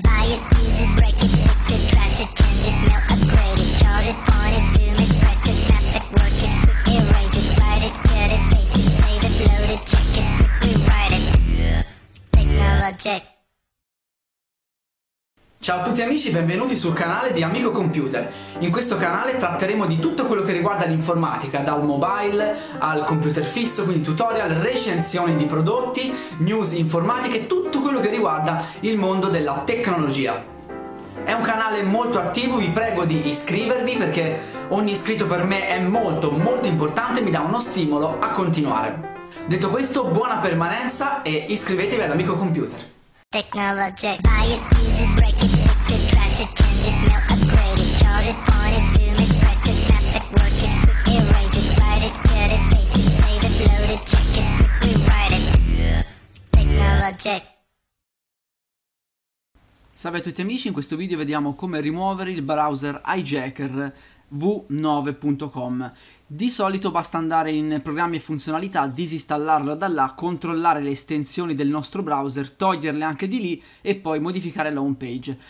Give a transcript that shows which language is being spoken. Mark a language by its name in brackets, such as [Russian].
[English] Buy it, use it, break it, fix it, trash it, change it, melt, upgrade it, charge it, point it, zoom it, press it, snap it, work it, erase it, write it, cut it, paste it, save it, load it, check it, rewrite it. Technology. [Italian] Ciao a tutti amici, benvenuti sul canale di Amico Computer. In questo canale tratteremo di tutto quello che riguarda l'informatica, dal mobile al computer fisso, quindi tutorial, recensioni di prodotti, news informatiche, tutto quello che riguarda il mondo della tecnologia. È un canale molto attivo, vi prego di iscrivervi perché ogni iscritto per me è molto molto importante e mi dà uno stimolo a continuare. Detto questo, buona permanenza e iscrivetevi ad Amico Computer. [English] Technology. Buy it, use it, break it, fix it, trash it, change it, melt, upgrade it, charge it, point it, zoom it, press it, snap it, work it, erase it, write it, cut it, paste it, save it, load it, check it, rewrite it. Technology. [Italian] Salve a tutti amici, in questo video vediamo come rimuovere il browser Hijacker v9.com. Di solito basta andare in programmi e funzionalità, disinstallarlo da là, controllare le estensioni del nostro browser, toglierle anche di lì e poi modificare la home page.